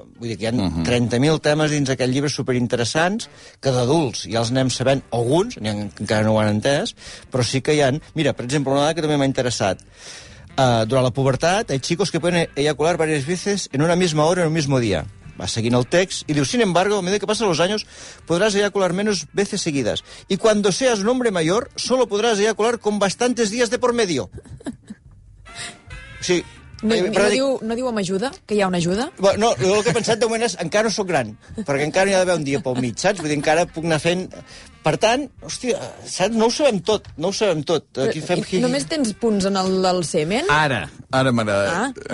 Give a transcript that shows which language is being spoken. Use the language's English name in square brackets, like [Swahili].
[Catalan] Vull dir que hi ha 30.000 temes dins aquest llibre superinteressants que d'adults ja els anem sabent, alguns, encara no ho han entès, però sí que hi ha... Mira, per exemple, una dada que també m'ha interessat. Durant la pubertat, [Spanish] hay chicos que pueden eyacular varias veces en una misma hora en un mismo día. [Catalan] Va seguint el text i diu, [Spanish] sin embargo, a medida que pasan los años, podrás eyacular menos veces seguidas. Y cuando seas un hombre mayor, solo podrás eyacular con bastantes días de por medio. [Catalan] Sí. No diu amb ajuda? Que hi ha una ajuda? Bueno, no, el que he pensat de moment és encara no sóc gran, perquè encara hi ha d'haver un dia pel mig, saps? Vull dir, encara puc anar fent... Per tant, hòstia, saps? No ho sabem tot. Aquí fem... Només tens punts en el del semen? Ara m'agrada. Ah.